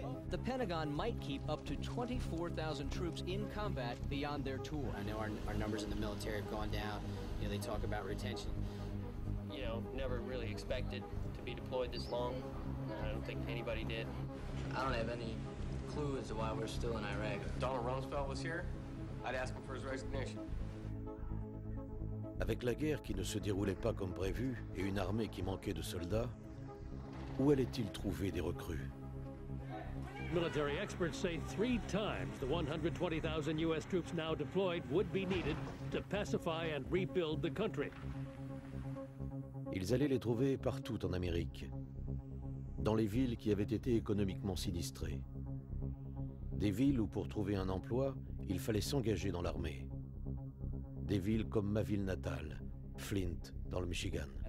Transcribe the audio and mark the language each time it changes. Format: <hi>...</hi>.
<en>The Pentagon might keep up to 24,000 troops in combat beyond their tour. I know our numbers in the military have gone down. You know, they talk about retention. You know, never really expected to be deployed this long. I don't think anybody did. I don't have any clue as to why we're still in Iraq. If Donald Rumsfeld was here, I'd ask him for his resignation.</en> <fr>Avec la guerre qui ne se déroulait pas comme prévu et une armée qui manquait de soldats, où allait-il trouver des recrues?</fr> <en>Military experts say three times the 120,000 U.S. troops now deployed would be needed to pacify and rebuild the country.</en> <fr>Ils allaient les trouver partout en Amérique, dans les villes qui avaient été économiquement sinistrées. Des villes où, pour trouver un emploi, il fallait s'engager dans l'armée. Des villes comme ma ville natale, Flint, dans le Michigan.</fr>